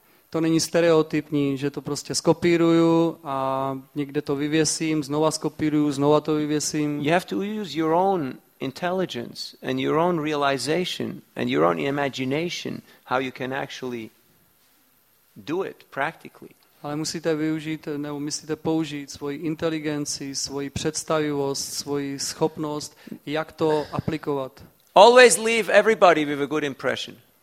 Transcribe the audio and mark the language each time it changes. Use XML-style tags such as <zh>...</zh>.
<cs>To není stereotypní, že to prostě skopíruju a někde to vyvěsím, znova skopíruju, znova to vyvěsím.</cs> <en>You have to use your own intelligence and your own realization and your own imagination how you can actually do it practically.</en> <cs>Ale musíte využít, nebo myslíte použít svoji inteligenci, svoji představivost, svoji schopnost, jak to aplikovat.</cs> <en>Always leave everybody with a good impression.</en>